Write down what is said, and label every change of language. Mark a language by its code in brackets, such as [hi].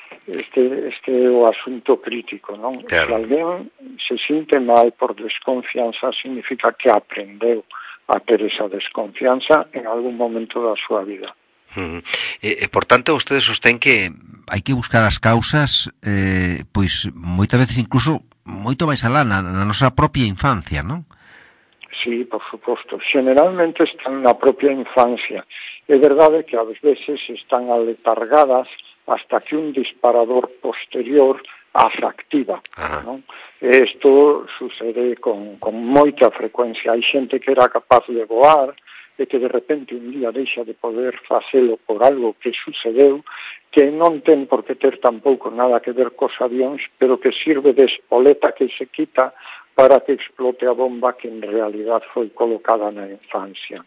[gl] Este é o asunto crítico, non? Claro. Se alguén se sinte mal por desconfianza, significa que aprendeu a ter esa desconfianza en algún momento da súa vida. Por tanto, ustedes sostén que hai que buscar as causas, pois moitas veces incluso moito máis alá na nosa propia infancia, non? [es] Sí, por supuesto. Generalmente están en la propia infancia. Es verdad que a veces están aletargadas hasta que un disparador posterior as activa. ¿No? Esto sucede con moita frecuencia. [gl] Hay xente que era capaz de voar e que de repente un día deixa de poder facelo por algo que sucedeu, que non ten por que ter tampouco nada que ver cos avións, pero que sirve de espoleta que se quita para que explote a bomba que en realidad foi colocada na infancia.